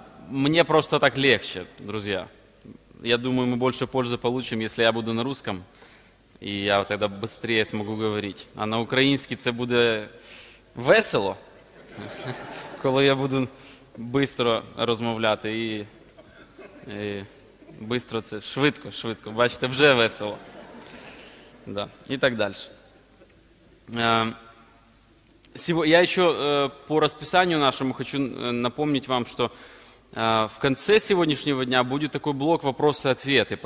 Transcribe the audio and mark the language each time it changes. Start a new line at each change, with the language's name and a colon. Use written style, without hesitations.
Ukrainian: Мені просто так легше, друзі. Я думаю, ми більше пользу получимо, якщо я буду
Russian: на русском. И я тогда быстрее смогу говорить. А на украинский
Ukrainian: це буде весело, коли я буду
Russian: быстро
Ukrainian: розмовляти.
Russian: И быстро
Ukrainian: це швидко, швидко. Бачите, вже весело.
Russian: Да. И так дальше. Я еще по расписанию нашему хочу напомнить вам, что в конце сегодняшнего дня будет такой блок «Вопросы-ответы».